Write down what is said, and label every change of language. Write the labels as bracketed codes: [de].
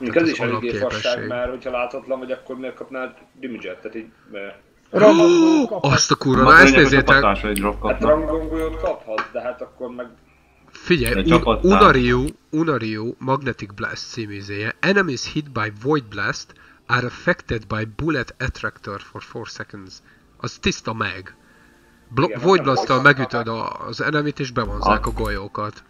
[hu] Még ez is elég fasság, mert hogyha láthatlan vagy, akkor miért kapnád damage-et? Tehát így... Azt a kurva, na ezt nézzétek! Hát rangongolyót kaphatsz, de hát akkor meg... Figyelj, Unario Magnetic Blast címűzéje. [en] Enemies hit by Void Blast are affected by bullet attractor for 4 seconds. [hu] Az tiszta meg. Void Blast-tal megütöd az enemit és bevonzák a golyókat.